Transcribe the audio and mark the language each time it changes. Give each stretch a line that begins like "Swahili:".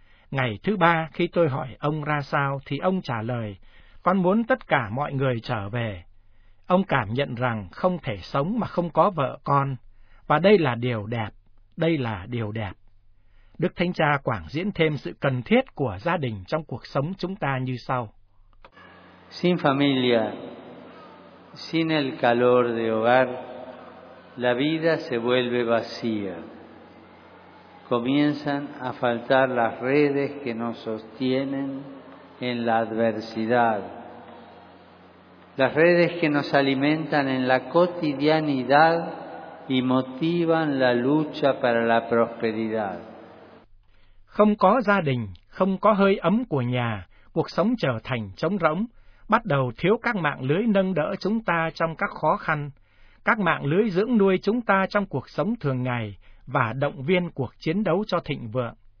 Vietnamese: Ngày thứ ba khi tôi hỏi ông ra sao thì ông trả lời, con muốn tất cả mọi người trở về. Ông cảm nhận rằng không thể sống mà không có vợ con, và đây là điều đẹp, đây là điều đẹp. Đức Thánh Cha quảng diễn thêm sự cần thiết của gia đình trong cuộc sống chúng ta như sau.
Spanish: Sin familia, sin el calor de hogar, la vida se vuelve vacía. Comienzan a faltar las redes que nos sostienen en la adversidad. Las redes que nos alimentan en la cotidianidad y motivan la lucha para la prosperidad.
Vietnamese: Không có gia đình, không có hơi ấm của nhà, cuộc sống trở thành trống rỗng, bắt đầu thiếu các mạng lưới nâng đỡ chúng ta trong các khó khăn, các mạng lưới dưỡng nuôi chúng ta trong cuộc sống thường ngày và động viên cuộc chiến đấu cho thịnh vượng.